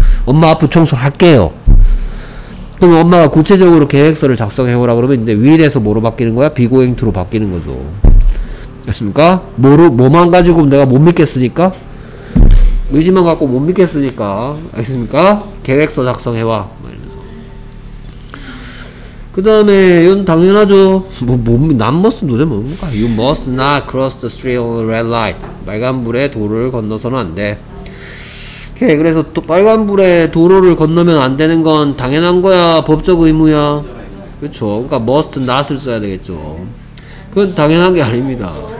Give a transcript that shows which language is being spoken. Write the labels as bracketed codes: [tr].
[ko] 엄마 앞으로 청소할게요. 그럼 엄마가 구체적으로 계획서를 작성해오라 그러면 이제 will에서 뭐로 바뀌는 거야? be going to로 바뀌는 거죠. 됐습니까? 뭐만 가지고 내가 못 믿겠으니까? 의지만 갖고 못 믿겠으니까. 알겠습니까? 계획서 작성해와. 그 다음에 이건 당연하죠. 난 must 도대체 뭡니까? [en] You must not cross the street on the red light. [ko] 빨간불에 도로를 건너서는 안 돼. 오케이. 그래서 또 빨간불에 도로를 건너면 안 되는 건 당연한 거야. 법적 의무야. 그렇죠. 그러니까 must not을 써야 되겠죠. 그건 당연한 게 아닙니다.